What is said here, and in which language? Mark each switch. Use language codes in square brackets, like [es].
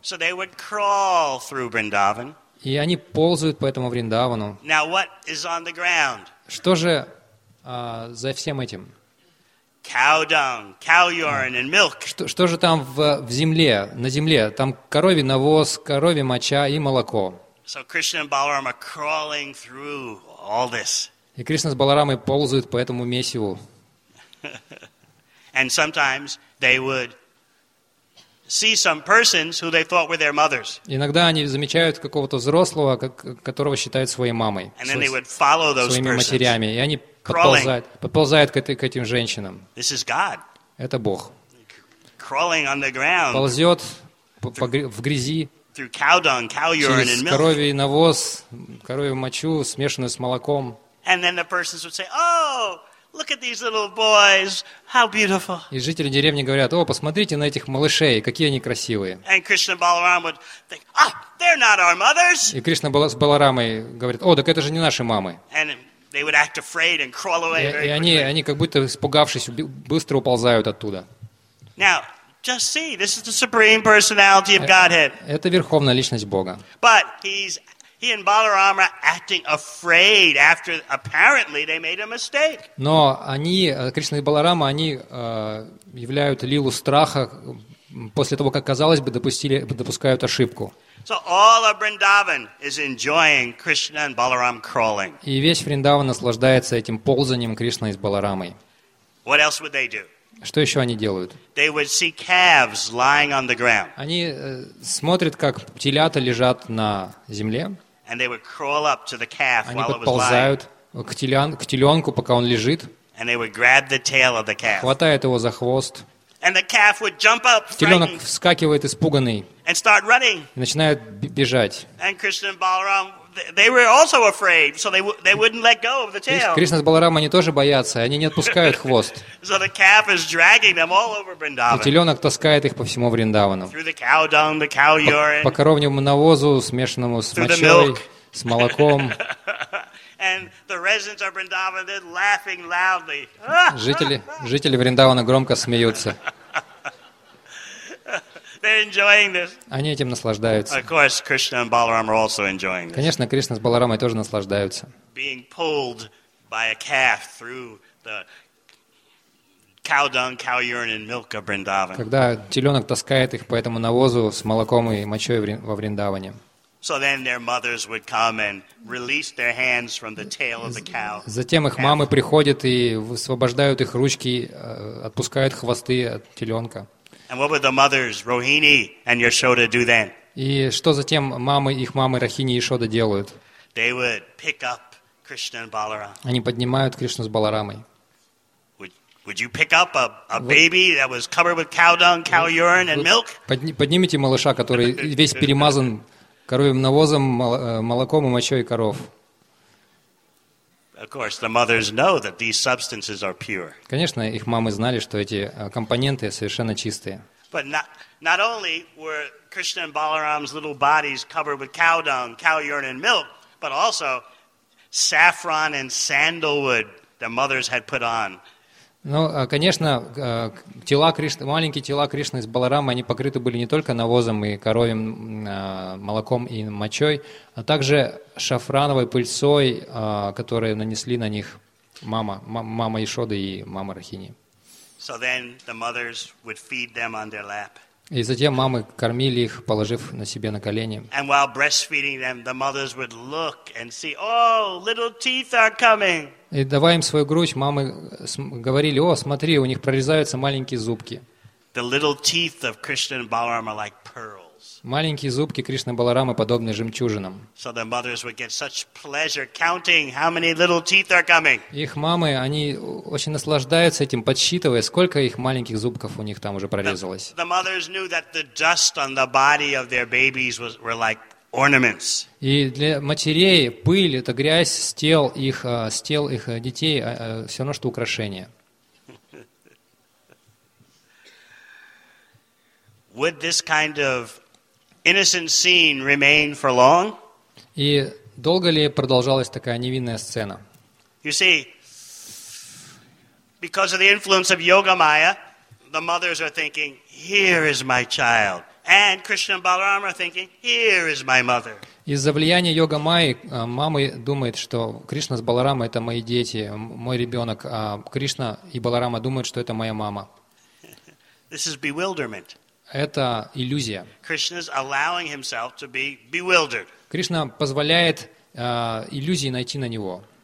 [en] So they would crawl through Vrindavan. [ru] И они ползают по этому Вриндавану. [en] Now what is on the ground? [ru] Что же за всем этим? [en] Cow dung, cow urine and milk. [ru] Что же там в земле, на земле? Там коровий навоз, коровий моча и молоко. [en] So Krishna and Balaram are crawling through all this. [ru] И Кришна с Баларамой ползают по этому месиву. [en] And sometimes they would see some persons who they thought were their mothers. [ru] Иногда они замечают какого-то взрослого, которого считают своей мамой. [en] And then they would follow those [ru] своими матерями. И они подползают к этим женщинам. [en] This is God. [ru] Это Бог. [en] Crawling on the ground. [ru] Ползет в грязи. [en] Through cow dung, cow urine and milk. [ru] Коровий навоз, коровью мочу, смешанную с молоком. [en] And then the persons would say, "Oh, look at these little boys! How beautiful!" [ru] И жители деревни говорят: "О, посмотрите на этих малышей, какие они красивые!" [en] And Krishna Balaram would think, "Ah, they're not our mothers!" [ru] И Кришна с Баларамой говорит: "О, так это же не наши мамы!" [en] And they would act afraid and crawl away. [ru] И они как будто испугавшись, быстро уползают оттуда. [en] Now, just see, this is the supreme personality of Godhead. [ru] Это верховная личность Бога. [en] But he and Balaram are acting afraid after apparently they made a mistake. [ru] Но они, Кришна и Баларама, они являют лилу страха после того, как, казалось бы, допускают ошибку. [en] So all of Vrindavan is enjoying Krishna and Balaram crawling. [ru] И весь Вриндаван наслаждается этим ползанием Кришны с Баларамой. [en] What else would they do? [ru] Что еще они делают? [en] They would see calves lying on the ground. [ru] Они смотрят, как телята лежат на земле. [en] And they would crawl up to the calf while it was lying. [ru] Они подползают к теленку, пока он лежит. [en] And they would grab the tail of the calf. [ru] Хватают его за хвост. [en] And the calf would jump up, [ru] теленок вскакивает испуганный. [en] And start running. [ru] И начинает бежать. [en] And Krishna and Balaram, they were also afraid, so they wouldn't let go of the tail. [ru] Кришна с Баларамой они тоже боятся, они не отпускают хвост. [en] So the calf is dragging them all over Vrindavan. [ru] И теленок таскает их по всему Вриндавану. [en] Through the cow dung, the cow urine. [ru] По коровьему навозу, смешанному с мочой, с молоком. [en] And the residents of Vrindavan are laughing loudly. [ru] Жители Вриндавана громко смеются. [en] They're enjoying this. [ru] Они этим наслаждаются. [en] Of course, Krishna and Balaram are also enjoying this. [ru] Конечно, Кришна с Баларамой тоже наслаждаются. [en] Being pulled by a calf through the cow dung, cow urine and milk of Vrindavan. [ru] Когда теленок таскает их по этому навозу с молоком и мочой во Вриндаване. [en] So then their mothers would come and release their hands from the tail of the cow. [ru] Затем их мамы приходят и высвобождают их ручки, отпускают хвосты от теленка. [en] And what would the mothers Rohini and Yashoda do then? [ru] И что затем мамы их мамы Рохини и Яшода делают? [en] They would pick up Krishna and Balaram. [ru] Они поднимают Кришну с Баларамой. [en] Would you pick up a baby that was covered with cow dung, cow urine and milk? [ru] Поднимите малыша, который весь перемазан коровьим навозом, молоком и мочой коров. [en] Of course, the mothers know that these substances are pure. [ru] Конечно, их мамы знали, что эти компоненты совершенно чистые. [en] But not only were Krishna and Balaram's little bodies covered with cow dung, cow urine and milk, but also saffron and sandalwood the mothers had put on. [ru] Ну, конечно, тела Кришны, маленькие тела Кришны с Баларамой, они покрыты были не только навозом и коровьим молоком и мочой, а также шафрановой пыльцой, которую нанесли на них мама Яшоды и мама Рохини. [en] So then the mothers would feed them on their lap. [ru] И затем мамы кормили их, положив на себе на колени. [en] And while breastfeeding them, the mothers would look and see, oh, little teeth are coming. [ru] И давая им свою грудь, мамы говорили, о, смотри, у них прорезаются маленькие зубки. [en] The little teeth of Krishna and Balaram are like pearls. [ru] Маленькие зубки Кришны и Баларамы подобны жемчужинам. [en] So the mothers would get such pleasure counting how many little teeth are coming. [ru] Их мамы, они очень наслаждаются этим, подсчитывая, сколько их маленьких зубков у них там уже прорезалось. [en] The mothers knew that the dust on the body of their babies were like ornaments. [ru] И для матерей пыль — это грязь с тел их детей, все равно что украшение. [en] Would this kind of innocent scene remain for long? [ru] И долго ли продолжалась такая невинная сцена? [en] You see, because of the influence of Yoga Maya, the mothers are thinking, "Here is my child." And Krishna and Balaram are thinking, here is my mother. [ru] Из-за влияния йога майи мамы думают, что Кришна с Баларамой — это мои дети, мой ребенок. А Кришна и Баларама думают, что это моя мама. [en] This is bewilderment. [ru] Это иллюзия. [en] Krishna's allowing himself to be bewildered. [ru] Кришна позволяет иллюзии найти на него.